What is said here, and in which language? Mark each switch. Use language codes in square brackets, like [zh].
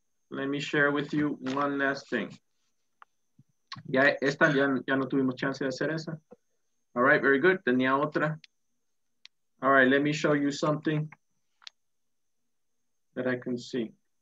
[en] Let me share with you one last thing. [es] Ya esta ya no tuvimos chance de hacer esa. [en] All right, very good. [es] Tenía otra. [en] All right, let me show you something that I can see.